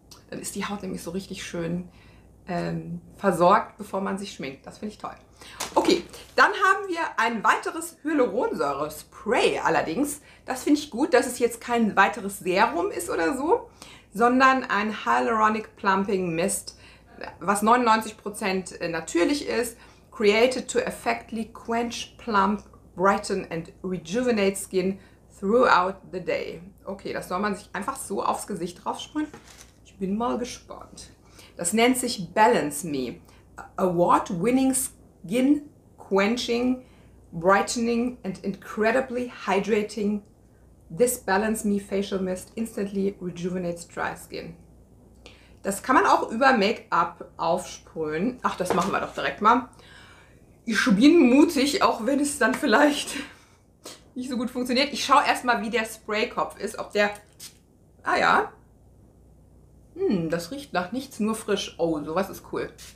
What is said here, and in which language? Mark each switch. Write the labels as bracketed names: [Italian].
[German] Dann ist die Haut nämlich so richtig schön versorgt, bevor man sich schminkt. Das finde ich toll. Okay, dann haben wir ein weiteres Hyaluronsäure-Spray allerdings. Das finde ich gut, dass es jetzt kein weiteres Serum ist oder so, sondern ein Hyaluronic Plumping Mist. Was 99% natürlich ist, [English] created to effectively quench, plump, brighten and rejuvenate skin throughout the day. [German] Okay, das soll man sich einfach so aufs Gesicht draufsprühen. Ich bin mal gespannt. Das nennt sich Balance Me. [English] Award-winning skin quenching, brightening and incredibly hydrating. This Balance Me Facial Mist instantly rejuvenates dry skin. [German] Das kann man auch über Make-up aufsprühen. Ach, das machen wir doch direkt mal. Ich bin mutig, auch wenn es dann vielleicht nicht so gut funktioniert. Ich schaue erstmal, wie der Spraykopf ist, ob der. Ah ja. Das riecht nach nichts, nur frisch. Oh, sowas ist cool.